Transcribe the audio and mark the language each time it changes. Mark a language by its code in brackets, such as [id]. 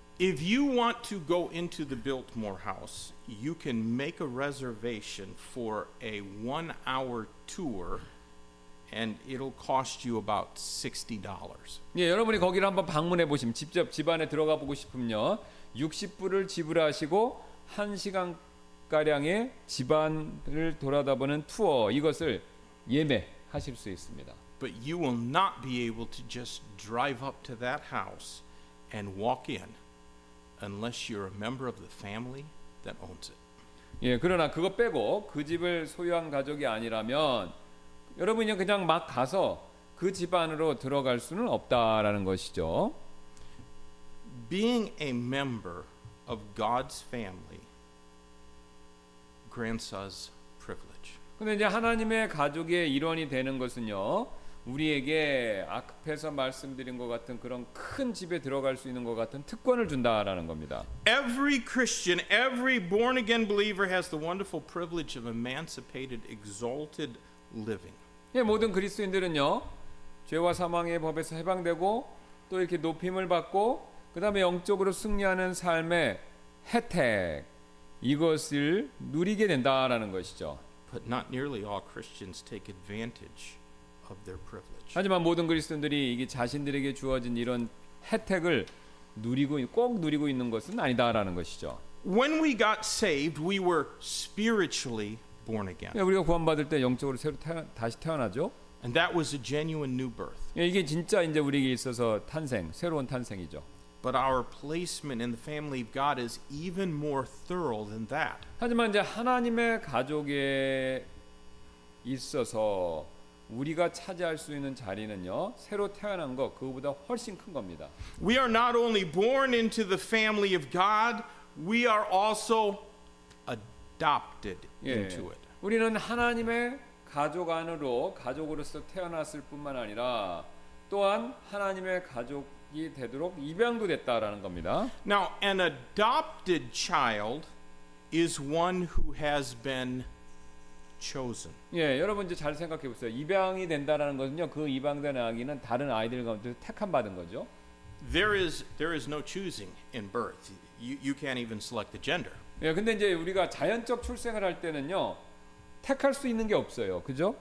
[en] If you want to go into the Biltmore House, you can make a reservation for a one-hour tour, and it'll cost you about $60. [ko] 예, 여러분이 거기를 한번 방문해 보시면 직접 집 안에 들어가 보고 싶으면 60불을 지불하시고 한 시간 가량의 집안을 돌아다보는 투어 이것을 예매하실 수 있습니다. [en] But you will not be able to just drive up to that house and walk in unless you're a member of the family that owns it. [ko] 예, 그러나 그거 빼고 그 집을 소유한 가족이 아니라면 여러분이 그냥 막 가서 그 집 안으로 들어갈 수는 없다라는 것이죠. [en] Being a member of God's family grants us privilege. [ko] 근데 이제 하나님의 가족의 일원이 되는 것은요. 우리에게 앞에서 말씀드린 것 같은 그런 큰 집에 들어갈 수 있는 것 같은 특권을 준다라는 겁니다. [en] Every Christian, every born again believer has the wonderful privilege of emancipated, exalted living. [ko] 예, 모든 그리스도인들은요. 죄와 사망의 법에서 해방되고 또 이렇게 높임을 받고 그다음에 영적으로 승리하는 삶의 혜택 이것을 누리게 된다라는 것이죠. [en] But not nearly all Christians take advantage of their privilege. [ko] 하지만 모든 그리스도인들이 이게 자신들에게 주어진 이런 혜택을 누리고 꼭 누리고 있는 것은 아니다라는 것이죠. [en] When we got saved, we were spiritually born again. [ko] 우리가 구원받을 때 영적으로 새로 다시 태어나죠. [en] And that was a genuine new birth. [ko] 이게 진짜 이제 우리에게 있어서 탄생, 새로운 탄생이죠. [en] But our placement in the family of God is even more thorough than that. [ko] 하지만 이제 하나님의 가족에 있어서 우리가 차지할 수 있는 자리는요. 새로 태어난 것 그거보다 훨씬 큰 겁니다. [en] We are not only born into the family of God, we are also adopted into it. [ko] 예, 우리는 하나님의 가족 안으로 가족으로서 태어났을 뿐만 아니라 또한 하나님의 가족이 되도록 입양도 됐다라는 겁니다. [en] Now, an adopted child is one who has been chosen. [ko] 예, 여러분 이제 잘 생각해 보세요. 입양이 된다라는 것은요. 그 입양된 아기는 다른 아이들 가운데 택함 받은 거죠. [en] There is no choosing in birth. You can't even select the gender. [ko] 예, 근데 이제 우리가 자연적 출생을 할 때는요. 택할 수 있는 게 없어요. 그죠?